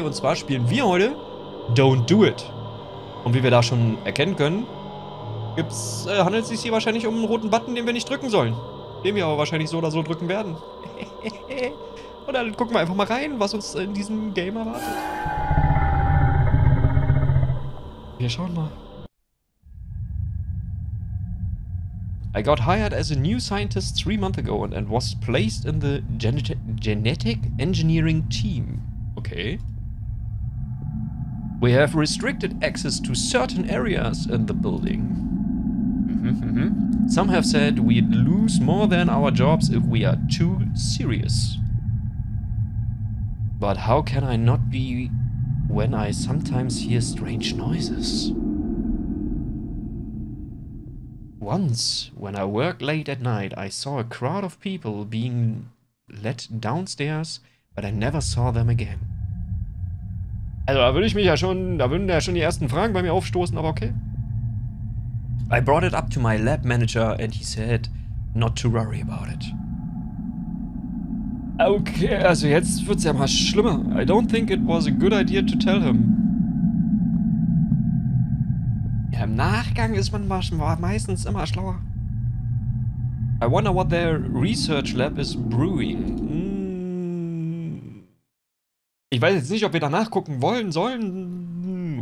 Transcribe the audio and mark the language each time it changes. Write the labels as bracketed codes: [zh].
[de] Und zwar spielen wir heute Don't Do It. Und wie wir da schon erkennen können, handelt es sich hier wahrscheinlich um einen roten Button, den wir nicht drücken sollen. Den wir aber wahrscheinlich so oder so drücken werden. Und dann gucken wir einfach mal rein, was uns in diesem Game erwartet. Wir schauen mal. [en] I got hired as a new scientist 3 months ago and was placed in the genetic engineering team. Okay. We have restricted access to certain areas in the building. Some have said we'd lose more than our jobs if we are too serious. But how can I not be when I sometimes hear strange noises? Once, when I worked late at night, I saw a crowd of people being led downstairs, but I never saw them again. [de] Also, da würden ja schon die ersten Fragen bei mir aufstoßen, aber okay. [en] I brought it up to my lab manager and he said not to worry about it. [de] Okay, also jetzt wird's ja mal schlimmer. [en] I don't think it was a good idea to tell him. [de] Im Nachgang ist man meistens immer schlauer. [en] I wonder what their research lab is brewing. [de] Ich weiß jetzt nicht, ob wir danach gucken wollen sollen.